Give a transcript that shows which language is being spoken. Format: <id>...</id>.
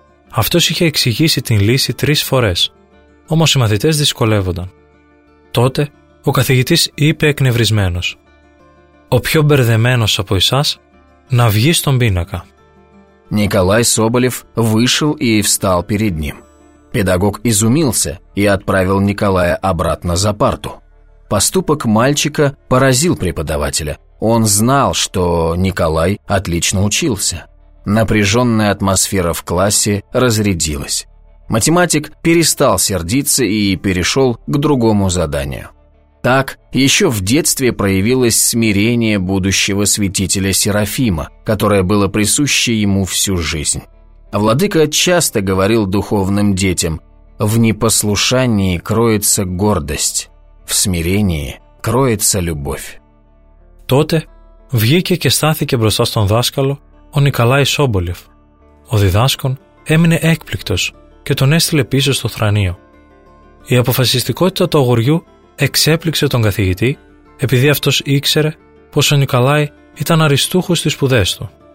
<el>Αυτός είχε εξηγήσει την λύση 3 φορές, όμως οι μαθητές δυσκολεύονταν. Τότε ο καθηγητής είπε εκνευρισμένος: «Ο πιο μπερδεμένος από εσάς να βγει στον πίνακα».</el> <ru>Николай Соболев вышел и встал перед ним. Педагог изумился и отправил Николая обратно за парту. Поступок мальчика поразил преподавателя. Он знал, что Николай отлично учился. Напряженная атмосфера в классе разрядилась. Математик перестал сердиться и перешел к другому заданию. Так еще в детстве проявилось смирение будущего святителя Серафима, которое было присуще ему всю жизнь. Владыка часто говорил духовным детям: «В непослушании кроется гордость, в смирении кроется любовь».</ru> <el>Тоте въеке ке стаθηκε мπροστά στον δάσκαλο ο Νικολάης Σόμπολεφ. Ο διδάσκον έμεινε έκπληκτος και τον έστειλε πίσω στο θρανείο. Η αποφασιστικότητα του αγοριού εξέπληξε τον καθηγητή, επειδή αυτός ήξερε πως ο Νικολάη ήταν αριστούχος στις σπουδές του.</el>